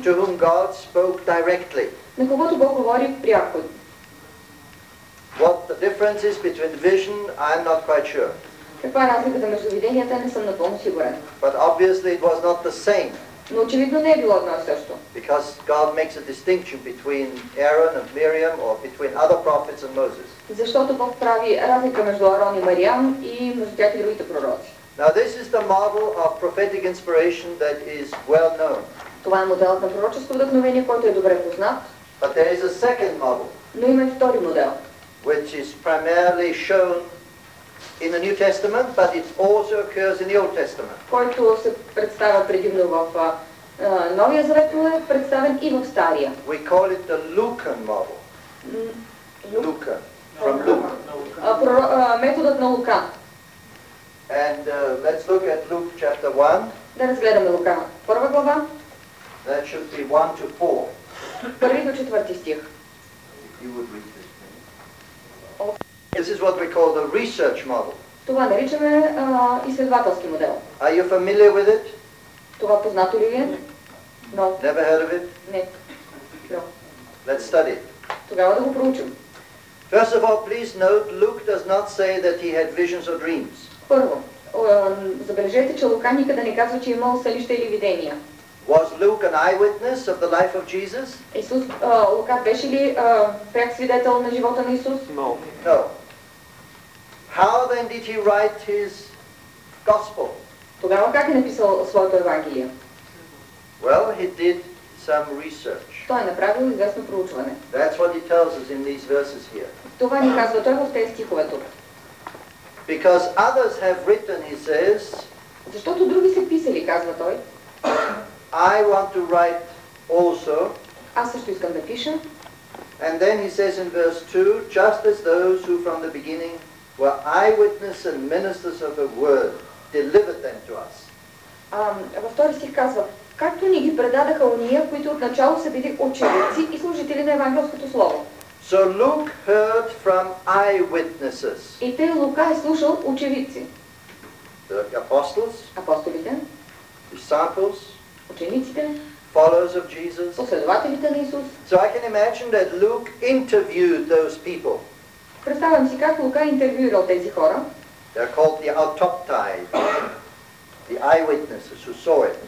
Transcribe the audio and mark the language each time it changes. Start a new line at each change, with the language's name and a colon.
English: To whom God spoke directly.
Bulgarian: На когото Бог говори пряко.
English: What the difference is between vision, I'm not quite sure.
Bulgarian: Каква е разликата между виденията, не съм напълно сигурен.
English: But obviously it was not the same.
Bulgarian: Но очевидно не е било едно и също.
English: Because God makes a distinction between Aaron and Miriam or between other prophets and Moses.
Bulgarian: Защото Бог прави разлика между Аарон и Мариам и между тях и другите пророци.
English: Now this is the model of prophetic inspiration that is well known.
Bulgarian: Това е моделът на пророческо вдъхновение, който е добре познат.
English: But there is a second model.
Bulgarian: Но има и втори модел.
English: Which is primarily shown in the New Testament, but it also occurs in the Old Testament.
Bulgarian: Който се представя предимно в Новия Завет, но е представен и в Стария.
English: We call it the Lucan model. Lucan, from Luke.
Bulgarian: Методът на Лукан.
English: And let's look at Luke chapter 1.
Bulgarian: Да разгледаме Лука, първа глава.
English: That should be 1 to 4.
Bulgarian: Първи до четвърти стих.
English: You would read this. This is what we call the research model.
Bulgarian: Това наричаме изследователски модел.
English: Are you familiar with it?
Bulgarian: Това познато ли е?
English: No. Never heard of it?
Bulgarian: Не.
English: Let's study.
Bulgarian: Тогава да го проучим.
English: First of all, please note, Luke does not say that he had visions or dreams.
Bulgarian: Първо, забележете, че Лука никъде не казва, че имал сънища или видения.
English: Was Luke an eyewitness of the life of Jesus?
Bulgarian: Исус, Лука беше ли пряк свидетел на живота на Исус?
English: No. No. How then did he write his gospel?
Bulgarian: Тогава как е написал своето евангелие?
English: Well, he did some research.
Bulgarian: Той е направил известно проучване.
English: That's what he tells us in these verses here.
Bulgarian: Това ни казва той в тези стихове тук.
English: Because others have written, he says.
Bulgarian: Защото други са писали, казва той.
English: I want to write also.
Bulgarian: Аз също искам да пиша.
English: And then he says in verse 2, just as those who from the beginning were eyewitness and ministers of the word delivered them to us.
Bulgarian: Във втори стих казва, както ни ги предадаха ония, които отначало са били ученици и служители на евангелското слово.
English: So Luke heard from eyewitnesses.
Bulgarian: И тъй Лука е слушал ученици.
English: The apostles.
Bulgarian: Апостолите.
English: Disciples.
Bulgarian: Учениците.
English: Followers of Jesus.
Bulgarian: Последователите на Исус.
English: So I can imagine that Luke interviewed those people.
Bulgarian: Представям си как Лука е интервюирал тези хора.
English: They're called the autoptai, the eyewitnesses who saw it.